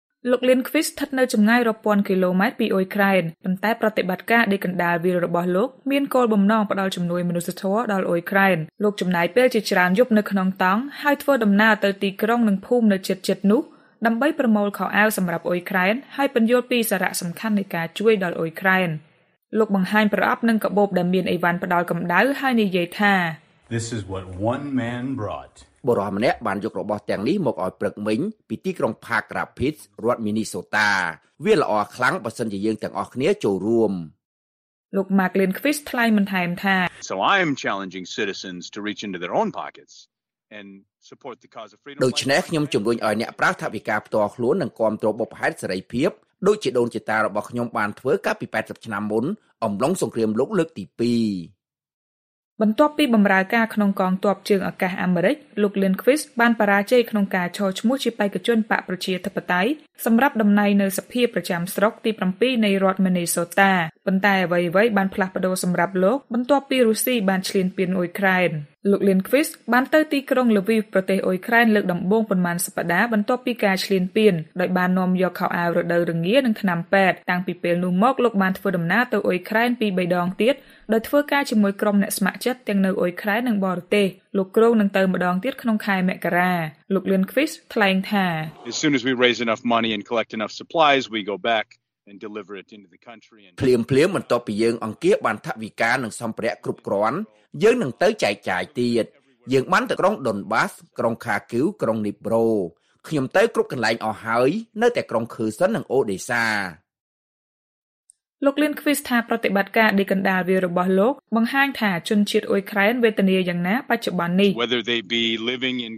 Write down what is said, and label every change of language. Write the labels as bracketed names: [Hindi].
[Khmer] លោកលៀនឃ្វីសស្ថិតនៅចម្ងាយរាប់ពាន់គីឡូម៉ែត្រពីអ៊ុយក្រែនប៉ុន្តែប្រតិបត្តិការដេកណ្ដាលវីររបស់លោកមានគោលបំណងផ្ដល់ជំនួយមនុស្សធម៌ដល់អ៊ុយក្រែនលោកចំណាយពេលជាច្រើនយប់នៅក្នុងតង់ហើយធ្វើដំណើរទៅទីក្រុងនិងភូមិនៅជិតនោះដើម្បីប្រមូលខោអាវសម្រាប់អ៊ុយក្រែនហើយបញ្យល់ពីសារៈសំខាន់នៃការជួយដល់អ៊ុយក្រែនលោកបង្ហាញប្រអប់និងកាបូបដែលមានអីវ៉ាន់ផ្ដល់កម្ដៅហើយនិយាយថា [English] This is what one man brought. [Khmer] បុរសម្នាក់បានយករបស់ទាំងនេះមកឲ្យព្រឹកមិញពីទីក្រុងផាករ៉ាភីតរដ្ឋមីនីសូតាវាល្អខ្លាំងបើសិនជាយើងទាំងអស់គ្នាចូលរួម លោកម៉ាកលិនឃ្វីសថ្លែងបន្ថែមថា [English] So I am challenging citizens to reach into their own pockets and support the cause of freedom [Khmer] ដូច្នេះខ្ញុំជំរុញឲ្យអ្នកប្រាស្រ័យថាវិការផ្ទាល់ខ្លួននិងគាំទ្របុព្វហេតុសេរីភាពដូចជាដូនជីតារបស់ខ្ញុំបានធ្វើកាលពី80ឆ្នាំមុនអំឡុងសង្គ្រាមលោកលើកទី2 បន្ទាប់ពីបម្រើការក្នុងកងទ័ពជើងអាកាសអាមេរិកលោកលៀនឃ្វីសបានបរាជ័យក្នុងការឈរឈ្មោះជាបេក្ខជនបកប្រជាធិបតេយ្យសម្រាប់តំណែងនៅសភាប្រចាំស្រុកទី7នៃរដ្ឋមីនីសូតាប៉ុន្តែអ្វីៗបានផ្លាស់ប្ដូរសម្រាប់លោកបន្ទាប់ពីរុស្ស៊ីបានឈ្លានពានអ៊ុយក្រែន លោកលៀនឃ្វីសបានទៅទីក្រុងលវីវប្រទេសអ៊ុយក្រែនលើកដំបូងប៉ុន្មានសប្ដាហ៍បន្ទាប់ពីការឈ្លានពានដោយបាននាំយកខោអាវរដូវរងានិងថ្នាំពេទ្យតាំងពីពេលនោះមកលោកបានធ្វើដំណើរទៅអ៊ុយក្រែនពីរបីដងទៀតដោយធ្វើការជាមួយក្រុមអ្នកស្ម័គ្រចិត្តទាំងនៅអ៊ុយក្រែននិងបរទេសលោកគ្រងនឹងទៅម្ដងទៀតក្នុងខែមករាលោកលៀនឃ្វីសថ្លែងថា [English] As soon as we raise enough money and collect enough supplies we go backand deliver it into the country and [Khmer] phliem បន្ទាប់ពីយើងអង្គាបានថវិកានិងសម្ភារៈគ្រប់គ្រាន់យើងនឹងទៅចែកចាយទៀតយើងបានទៅក្រុងដុនបាសក្រុងខាគីវក្រុងនីប្រូខ្ញុំទៅគ្រប់កន្លែងអស់ហើយនៅតែក្រុងខឺសិននិងអូដេសា លោកលៀនឃ្វីសថាប្រតិបត្តិការដេកណ្ដាលវារបស់លោកបង្ហាញថាជនជាតិអ៊ុយក្រែនវេទនាយ៉ាងណាបច្ចុប្បន្ននេះ